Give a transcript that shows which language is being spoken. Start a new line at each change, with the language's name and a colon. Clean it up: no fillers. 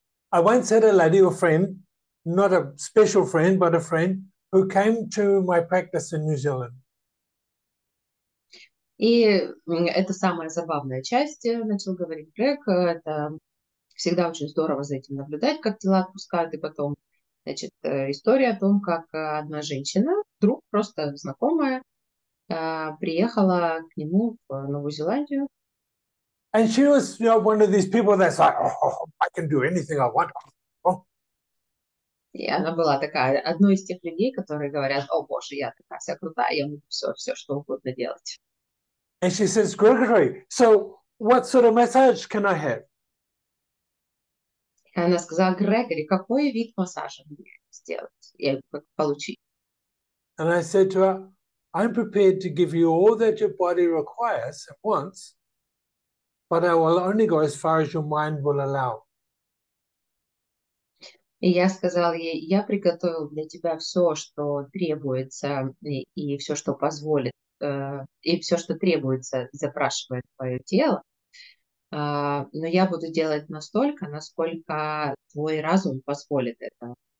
English: I once had a lady or friend, not a special friend, but a friend who came to my practice in New Zealand.
Russian: И это самая забавная часть, начал говорить Грег. Это всегда очень здорово за этим наблюдать, как тела отпускают, и потом, значит, история о том, как одна женщина, друг, просто знакомая, приехала к нему в Новую Зеландию.
English: And she was, you know, one of these people that's like, oh, I can do anything I want. Oh.
Russian: И она была такая, одной из тех людей, которые говорят, о, боже, я такая вся крутая, я могу все, что угодно делать.
English: And she says, Gregory, so what sort of massage can I have?
Russian: Она сказала, Грегори, какой вид массажа мне сделать, получить?
English: And I said to her, I'm prepared to give you all that your body requires at once, but I will only go as far as your mind will allow.
Russian: И я сказала ей, я приготовила для тебя все, что требуется, и все, что позволит, и все, что требуется, запрашивает твое тело. Но я буду делать настолько, насколько твой разум позволит это.